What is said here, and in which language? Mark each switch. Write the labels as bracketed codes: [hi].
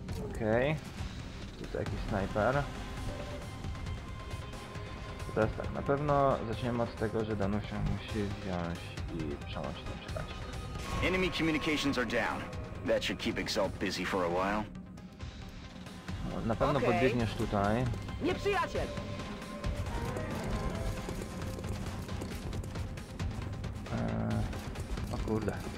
[pl] Okej. Jakiś snajper. To teraz tak, na pewno zaczniemy od tego, że Danusia musi wziąć i przełączyć ten przekaźnik. [en] Enemy communications are down. That should keep Exalt busy for a while. [pl] No, na pewno podbiegniesz tutaj. Nie przyjaciel! O kurde.